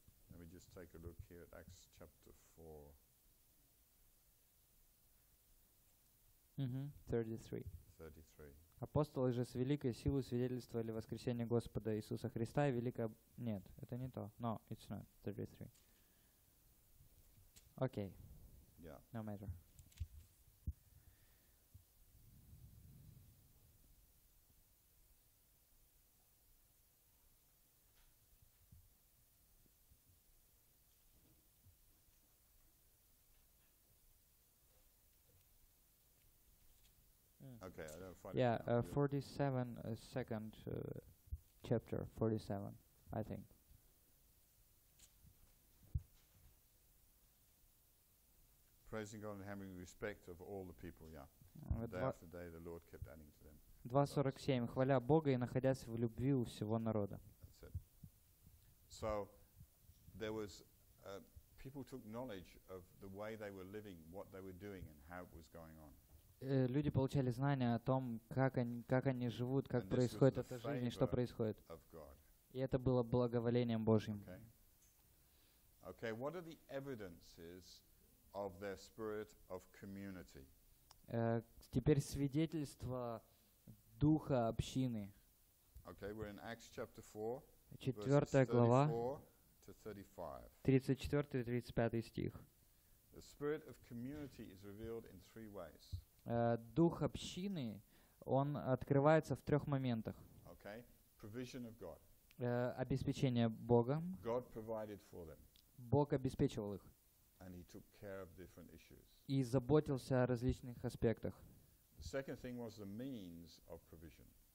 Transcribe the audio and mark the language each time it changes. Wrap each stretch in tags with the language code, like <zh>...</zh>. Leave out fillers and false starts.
<en>Let me just take a look here at Acts chapter 4. Mm-hmm. 33.</en> <ru>Апостолы же с великой силой свидетельствовали воскресение Господа Иисуса Христа и великое... Нет, это не то.</ru> <en>No, it's not.</en> <ru>33.</ru> <en>Okay. Yeah. No matter. Okay, I don't find it. 47, second chapter, 47, I think. Praising God and having respect of all the people, yeah. Day after day the Lord kept adding to them.</en> <ru>2:47, хваля Бога и находясь в любви у всего народа.</ru> <en>That's it. So, there was, people took knowledge of the way they were living, what they were doing, and how it was going on.</en> <ru>Люди получали знания о том, как они живут, как происходит эта жизнь и что происходит. И это было благоволением Божьим.</ru> <en>Okay. What are the evidences of their spirit of community?</en> <ru>Теперь свидетельство духа общины.</ru> <en>Okay, we're in Acts chapter 4.</en> <ru>Четвёртая глава. 34-35 стих.</ru> <en>The spirit of community is revealed in three ways.</en> <ru>Дух общины, он открывается в трех моментах.</ru> <en>Okay. Provision of God.</en> <ru>Обеспечение Богом.</ru> <en>God provided for them.</en> <ru>Бог обеспечивал их.</ru> <en>And he took care of different issues.</en> <ru>И заботился о различных аспектах.</ru> <en>The second thing was the means of provision.</en>